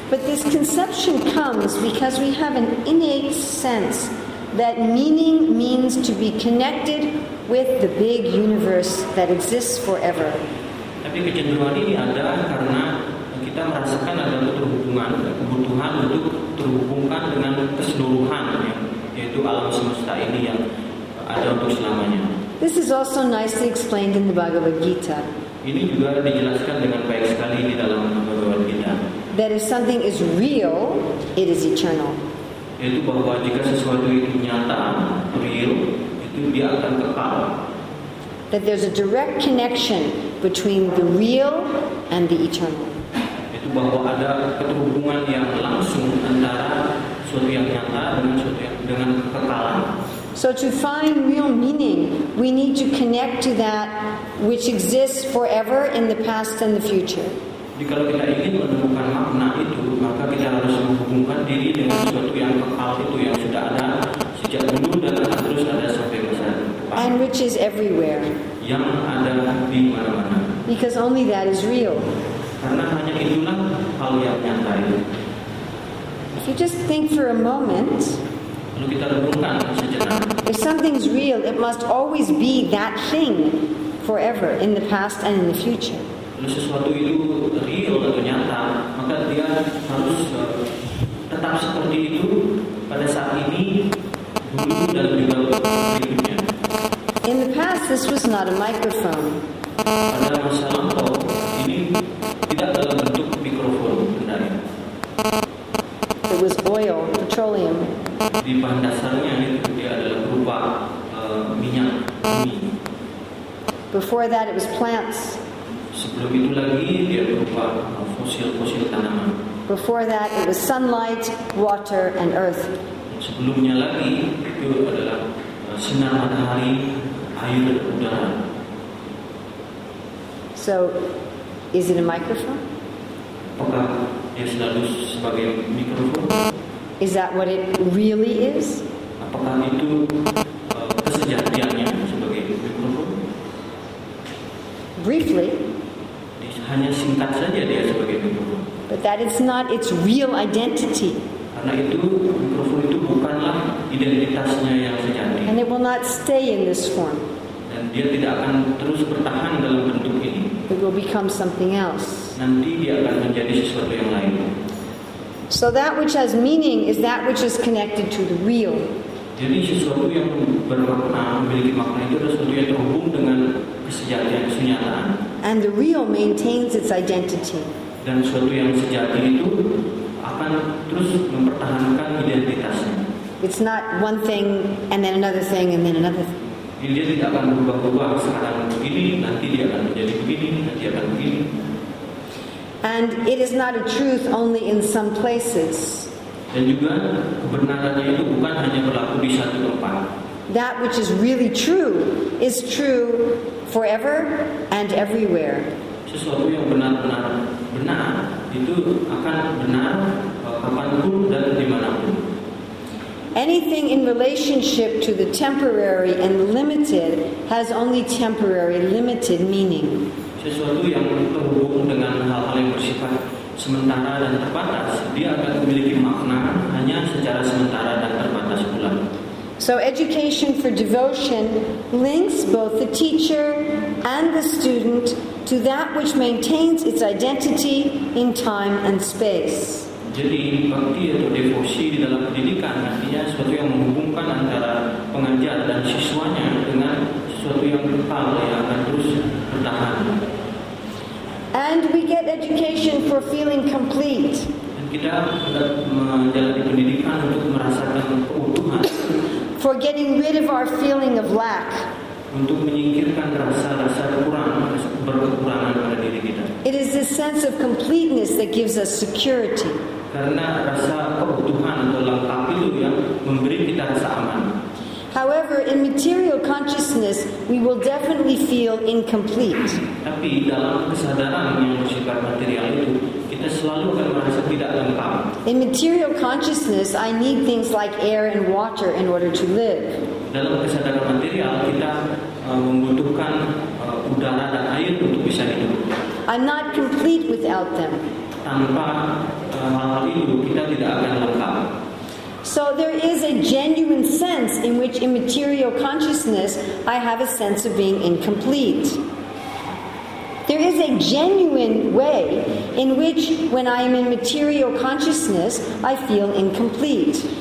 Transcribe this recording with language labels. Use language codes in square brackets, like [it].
[en] this conception comes because we have an innate sense that meaning means to be connected with the big universe that exists forever. [id] Tapi kecenderungan ini ada karena kita merasakan ada keterhubungan, kebutuhan untuk terhubungkan dengan keseluruhan yaitu alam semesta ini yang ada untuk selamanya. [en] This is also nicely explained in the Bhagavad Gita. [id] Ini juga dijelaskan dengan baik sekali di dalam Bhagavad Gita. [en] That if something is real, it is eternal. [id] Yaitu bahwa jika sesuatu itu nyata, real, itu dia akan kekal. [en] That there's a direct connection between the real and the eternal. [id] Yaitu bahwa ada keterhubungan yang langsung antara sesuatu yang nyata dengan sesuatu yang dengan kekalan. [en] So to find real meaning, we need to connect to that which exists forever in the past and the future. [id] Jadi kalau kita ingin menemukan makna itu, maka kita harus menghubungkan diri dengan sesuatu yang kekal itu yang sudah ada sejak dulu dan akan terus ada sampai masa depan. [en] And which is everywhere. [id] Yang ada di mana-mana. [en] Because only that is real. [id] Karena hanya itulah hal yang nyata itu. [en] If you just think for a moment. [id] Kalau kita renungkan sejenak. [en] If something's real, it must always be that thing forever in the past and in the future. [id] Kalau sesuatu itu real atau nyata, maka dia harus tetap seperti itu pada saat ini, dulu dan juga berikutnya. [en] In the past, this was not a microphone. [id] Pada masa lampau, ini tidak dalam bentuk mikrofon sebenarnya. [en] It was oil, petroleum. [id] Di bahan dasarnya itu dia adalah berupa minyak bumi. [en] Before that, it was plants. [id] Sebelum itu lagi dia berupa fosil-fosil tanaman. [en] Before that it was sunlight, water, and earth. [id] Sebelumnya lagi itu adalah sinar matahari, air, dan udara. [en] So, is it a microphone? [id] Apakah dia selalu sebagai mikrofon? [en] Is that what it really is? [id] Apakah itu kesejatiannya sebagai mikrofon? [en] Briefly. [id] Hanya singkat saja dia sebagai mikrofon. [en] But that is not its real identity. [id] Karena itu mikrofon itu bukanlah identitasnya yang sejati. [en] And it will not stay in this form. [id] Dan dia tidak akan terus bertahan dalam bentuk ini. [en] It will become something else. [id] Nanti dia akan menjadi sesuatu yang lain. [en] So that which has meaning is that which is connected to the real. [id] Jadi sesuatu yang bermakna, memiliki makna itu adalah sesuatu yang terhubung dengan kesejatian, kesenyataan. [en] And the real maintains its identity. [id] dan sesuatu yang sejati itu akan terus mempertahankan identitasnya. [en] It's not one thing and then another thing and then another thing. [id] Dia tidak akan berubah-ubah, sekarang begini, nanti dia akan menjadi begini, nanti akan begini. [en] And it is not a truth only in some places. [id] Dan juga kebenarannya itu bukan hanya berlaku di satu tempat. [en] That which is really true is true forever and everywhere. [id] Sesuatu yang benar-benar benar itu akan benar kapanpun dan dimanapun. [en] Anything in relationship to the temporary and limited has only temporary, limited meaning. [id] Sesuatu yang terhubung dengan hal-hal yang bersifat sementara dan terbatas, dia akan memiliki makna hanya secara sementara dan terbatas pula. [en] So education for devotion links both the teacher and the student to that which maintains its identity in time and space. [id] Jadi bakti atau devosi di dalam pendidikan artinya sesuatu yang menghubungkan antara pengajar dan siswanya dengan sesuatu yang kekal yang akan terus bertahan. [en] And we get education for feeling complete. [id] Dan kita menjalani pendidikan untuk merasakan keutuhan. [en] For getting rid of our feeling of lack. [id] Untuk menyingkirkan rasa-rasa kurang, berkekurangan pada diri kita. [en] It is this sense of completeness that gives us security. [id] Karena rasa kebutuhan atau lengkap itu yang memberi kita rasa aman. [en] However, in material consciousness, we will definitely feel incomplete. [id] Tapi dalam kesadaran yang bersifat material itu, kita selalu akan merasa tidak lengkap. [en] In material consciousness, I need things like air and water in order to live. [id] Dalam kesadaran material, kita membutuhkan udara dan air untuk bisa hidup. [en] I'm not complete without them. [id] Tanpa hal-hal itu, kita tidak akan lengkap. [en] So there is a genuine sense in which in material consciousness I have a sense of being incomplete. There is a genuine way in which when I am in material consciousness I feel incomplete.